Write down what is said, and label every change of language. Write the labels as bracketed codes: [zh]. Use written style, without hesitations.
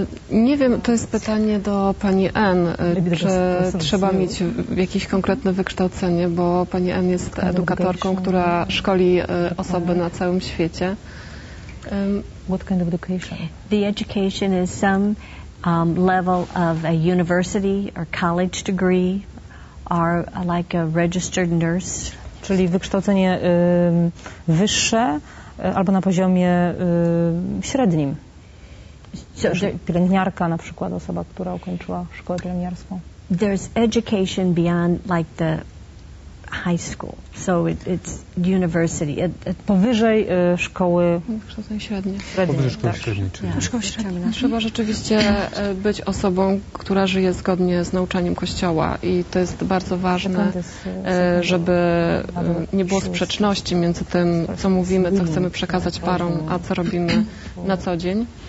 [pl] Nie wiem, to jest pytanie do pani N, czy trzeba mieć jakieś konkretne wykształcenie, bo pani N jest edukatorką, która szkoli osoby na całym świecie. [en] What kind of education? The education is some level of a university or college degree or like a registered nurse. [pl] Czyli wykształcenie wyższe albo na poziomie średnim. So, pielęgniarka na przykład, osoba, która ukończyła szkołę pielęgniarską. [en] There's education beyond like the high school, so it's university. [pl] Powyżej szkoły średniej. Szkoła średnia. Trzeba rzeczywiście być osobą, która żyje zgodnie z nauczaniem Kościoła i to jest bardzo ważne, żeby nie było sprzeczności między tym, co mówimy, co chcemy przekazać parom, a co robimy na co dzień.